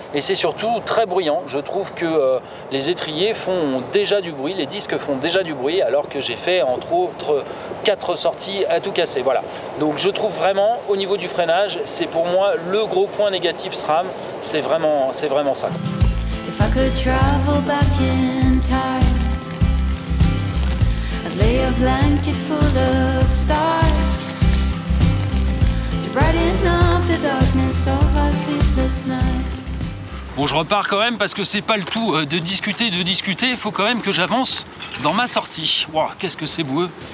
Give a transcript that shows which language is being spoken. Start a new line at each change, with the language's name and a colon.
French: Et c'est surtout très bruyant. Je trouve que les étriers font déjà du bruit, les disques font déjà du bruit, alors que j'ai fait entre autres 4 sorties à tout casser. Voilà. Donc je trouve vraiment, au niveau du freinage, c'est pour moi le gros point négatif SRAM. C'est vraiment ça.
English: If I could travel back in time, I'd lay a blanket full of stars to brighten up the darkness of our sleepless night.
French: Bon, je repars quand même parce que c'est pas le tout de discuter, Il faut quand même que j'avance dans ma sortie. Wow, qu'est-ce que c'est boueux.